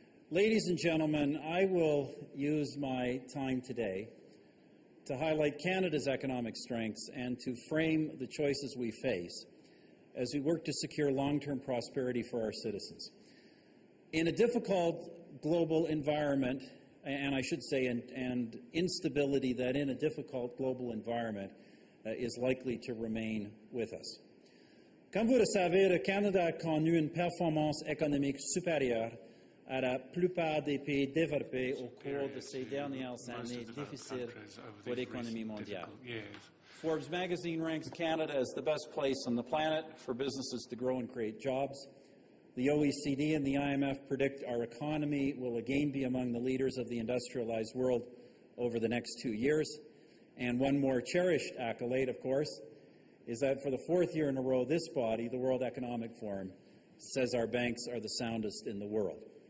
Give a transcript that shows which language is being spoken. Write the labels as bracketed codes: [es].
[en] Ladies and gentlemen, I will use my time today to highlight Canada's economic strengths and to frame the choices we face as we work to secure long-term prosperity for our citizens. In a difficult global environment, and I should say, and instability that in a difficult global environment is likely to remain with us. [fr] Comme vous le savez, le Canada a connu une performance économique supérieure à la plupart des pays développés au cours de ces dernières années difficiles pour l'économie mondiale. [en] Forbes magazine ranks Canada as the best place on the planet for businesses to grow and create jobs. The OECD and the IMF predict our economy will again be among the leaders of the industrialized world over the next 2 years. And one more cherished accolade, of course, is that for the fourth year in a row, this body, the World Economic Forum, says our banks are the soundest in the world.